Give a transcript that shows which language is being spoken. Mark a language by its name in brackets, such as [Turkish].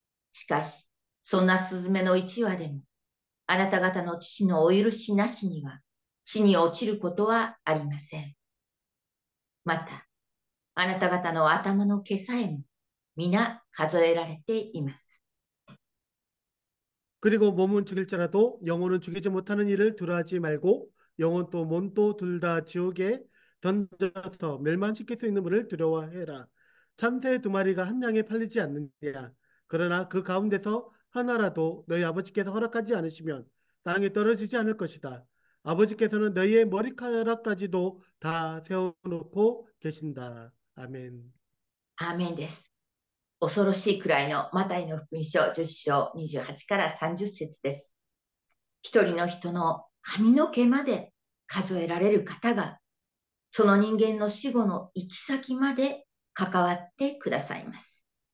[Japanese] しかし、そんなスズメの1羽でも、あなた方の父のお許しなしには、地に落ちることはありません。また、あなた方の頭の毛さえも、皆数えられています。 [Korean] 그리고 몸은 죽일지라도 영혼은 죽이지 못하는 일을 두려워하지 말고 영혼도 몸도 둘다 지옥에 던져서 멸망시킬 수 있는 분을 두려워해라. 참새 두 마리가 한 양에 팔리지 않느냐. 그러나 그 가운데서 하나라도 너희 아버지께서 허락하지 않으시면 땅에 떨어지지 않을 것이다. 아버지께서는 너희의 머리카락까지도 다 세워놓고 계신다. 아멘. [Japanese] アーメンです。恐ろしいくらいのマタイの福音書10章28から30節です。一人の人の髪の毛まで数えられる方が、その人間の死後の行き先まで関わってくださいます。